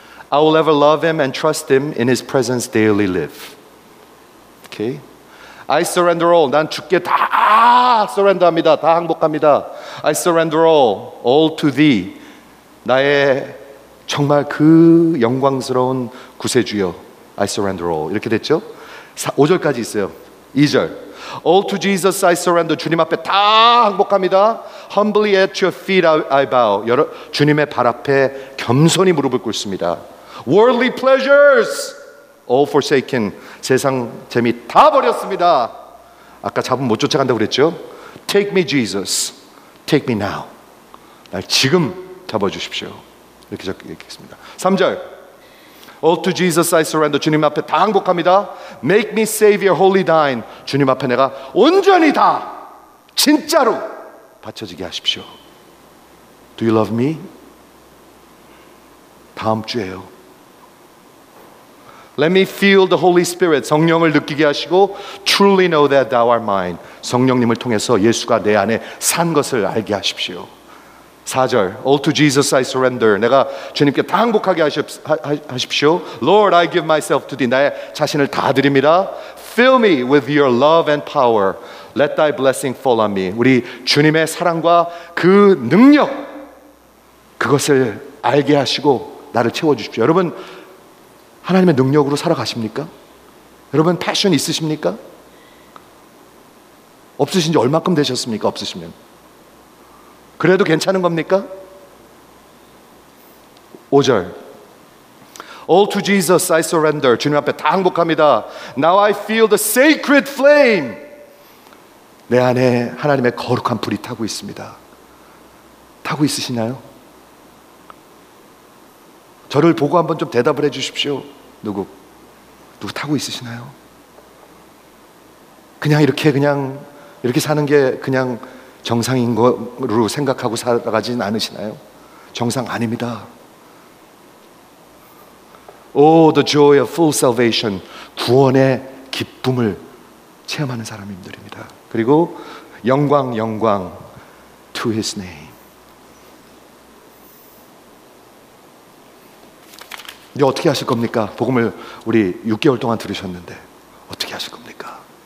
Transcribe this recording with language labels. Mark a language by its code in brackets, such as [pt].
[en] I will ever love him and trust him in his presence daily live. Okay? I surrender all. [ko] 난 주께 다 surrender 합니다. 다 항복합니다. [en] I surrender all to thee. [ko] 나의 정말 그 영광스러운 구세주여, [en] I surrender all. [ko] 이렇게 됐죠? 5절까지 있어요. 2절. [en] All to Jesus I surrender. [ko] 주님 앞에 다 항복합니다. [en] Humbly at your feet I bow. [ko] 여러, 주님의 발 앞에 겸손히 무릎을 꿇습니다. [en] Worldly pleasures all forsaken. [ko] 세상 재미 다 버렸습니다. 아까 잡음 못 쫓아간다고 그랬죠? [en] Take me Jesus. Take me now. [ko] 날 지금 잡아주십시오. 이렇게 적겠습니다. 3절. [en] All to Jesus I surrender. [ko] 주님 앞에 다 항복합니다. [en] Make me Savior, wholly thine. [ko] 주님 앞에 내가 온전히 다 진짜로 바쳐지게 하십시오. [en] Do you love me? [ko] 다음 주에요. [en] Let me feel the Holy Spirit. [ko] 성령을 느끼게 하시고 [en] Truly know that thou art mine. [ko] 성령님을 통해서 예수가 내 안에 산 것을 알게 하십시오. [en] 4절, All to Jesus I surrender. [ko] 내가 주님께 다 행복하게 하십시오. [en] Lord, I give myself to thee. [ko] 나의 자신을 다 드립니다. [en] Fill me with your love and power. Let thy blessing fall on me. [ko] 우리 주님의 사랑과 그 능력, 그것을 알게 하시고 나를 채워주십시오. 여러분, 하나님의 능력으로 살아가십니까? 여러분, 패션 있으십니까? 없으신 지 얼마큼 되셨습니까? 없으시면. 그래도 괜찮은 겁니까? [en] 5절 All to Jesus I surrender. [ko] 주님 앞에 다 항복합니다. [en] Now I feel the sacred flame. [ko] 내 안에 하나님의 거룩한 불이 타고 있습니다. 타고 있으시나요? 저를 보고 한번 좀 대답을 해 주십시오. 누구 타고 있으시나요? 그냥 이렇게 사는 게 그냥 정상인 거로 생각하고 살아가진 않으시나요? 정상 아닙니다. [en] Oh, the joy of full salvation. [ko] 구원의 기쁨을 체험하는 사람들입니다. 그리고 영광, 영광 [en] to his name. [ko] 이제 어떻게 하실 겁니까? 복음을 우리 6개월 동안 들으셨는데 어떻게 하실 겁니까?